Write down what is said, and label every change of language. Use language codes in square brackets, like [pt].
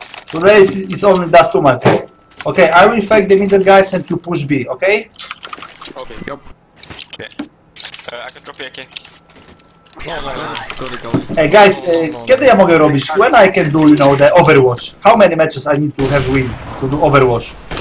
[en] Today is only dust 2, my friend. Okay, I will fake the middle guys and you push B, okay? Okay, yep. Okay. I can drop you, okay? Yeah, hey guys, [pl] kiedy ja mogę robić? [en] When I can do, you know, the Overwatch? How many matches I need to have win to do Overwatch?